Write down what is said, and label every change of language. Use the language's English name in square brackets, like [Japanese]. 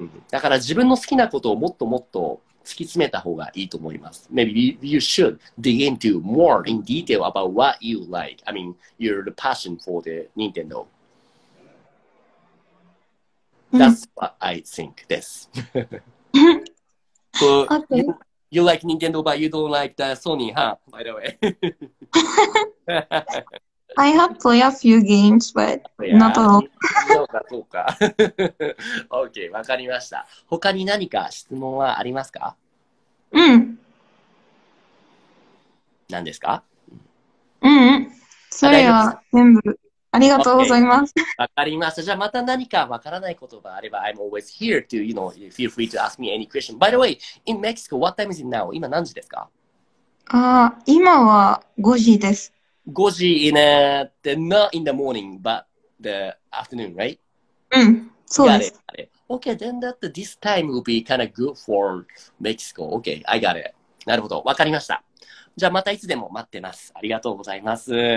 [Japanese] だから自分の好きなことをもっともっと突き詰めた方がいいと思います。 [English] Maybe you should dig into more in detail about what you like. I mean, your passion for the Nintendo. That's what I think this. So, you like Nintendo, but you don't like the Sony, huh? By the way. I have played a few games, but not all. [Japanese] そうか、そうか。OK、わかりました。他に何か質問はありますか? 何ですか? それは全部。ありがとうございます。わかりました。じゃあまた何かわからないことがあれば、 [English] I'm always here to, you know, feel free to ask me any question. By the way, in Mexico, what time is it now? [Japanese] 今何時ですか? 今は5時です。 [English] 5時 in a, the, not in the morning, but the afternoon, right? [Japanese] そうです。 [English] Got it. Okay, then that this time will be kind of good for Mexico. Okay, I got it. [Japanese] なるほど。わかりました。じゃあまたいつでも待ってます。ありがとうございます。